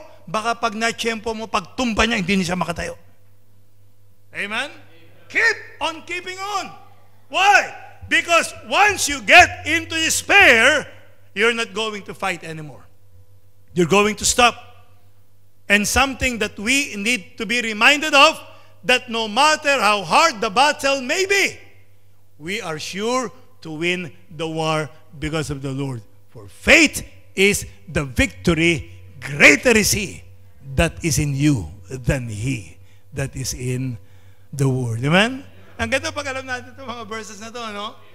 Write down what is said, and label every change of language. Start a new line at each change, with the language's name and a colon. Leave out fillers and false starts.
Filipino: Baka pag na-tiyempo mo, pag tumba niya, hindi niya siya makatayo.
English: Amen? Keep on keeping on. Why? Because once you get into despair, you're not going to fight anymore. You're going to stop. And something that we need to be reminded of, that no matter how hard the battle may be, we are sure to win the war because of the Lord. For faith is the victory. Greater is He that is in you than He that is in the world. Amen?
Filipino: Ang ganda pag alam natin itong mga verses na ito, ano?